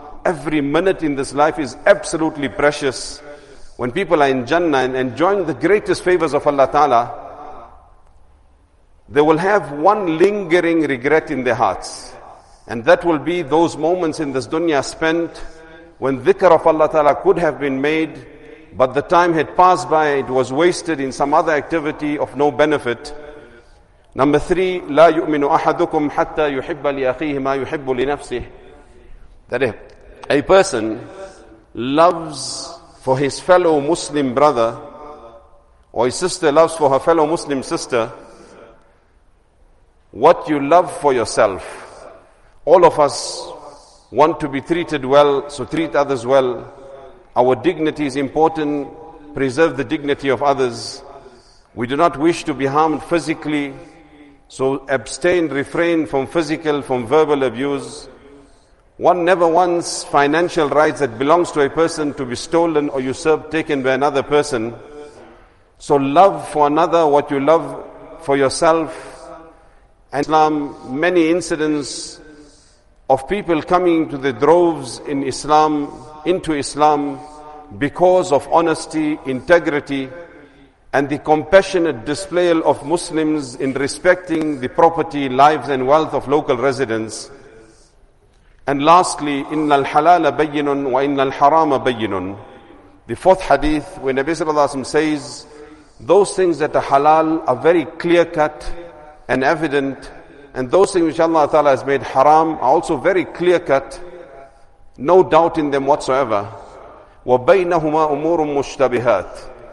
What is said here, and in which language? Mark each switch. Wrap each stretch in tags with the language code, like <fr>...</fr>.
<en>Every minute in this life is absolutely precious. When people are in Jannah and enjoying the greatest favors of Allah Ta'ala, they will have one lingering regret in their hearts. And that will be those moments in this dunya spent when dhikr of Allah Ta'ala could have been made, but the time had passed by, it was wasted in some other activity of no benefit. Number 3,</en> <ar>لا يؤمن أحدكم حتى يحب لأخيه ما يحب لنفسه.</ar> <en>That is, a person loves for his fellow Muslim brother, or his sister loves for her fellow Muslim sister, what you love for yourself. All of us want to be treated well, so treat others well. Our dignity is important, preserve the dignity of others. We do not wish to be harmed physically, so abstain, refrain from physical, from verbal abuse. One never wants financial rights that belongs to a person to be stolen or usurped, taken by another person. So love for another what you love for yourself. And Islam, many incidents of people coming to the droves in Islam, into Islam, because of honesty, integrity, and the compassionate display of Muslims in respecting the property, lives and wealth of local residents. And lastly,</en> <ar>إِنَّ الْحَلَالَ بَيِّنٌ وَإِنَّ الْحَرَامَ بَيِّنٌ.</ar> <en>The fourth hadith, where Nabi Sallallahu Alaihi Wasallam says, those things that are halal are very clear-cut and evident, and those things which Allah Ta'ala has made haram are also very clear-cut, no doubt in them whatsoever.</en> <ar>وَبَيْنَهُمَا أُمُورٌ مُشْتَبِهَاتٌ.</ar>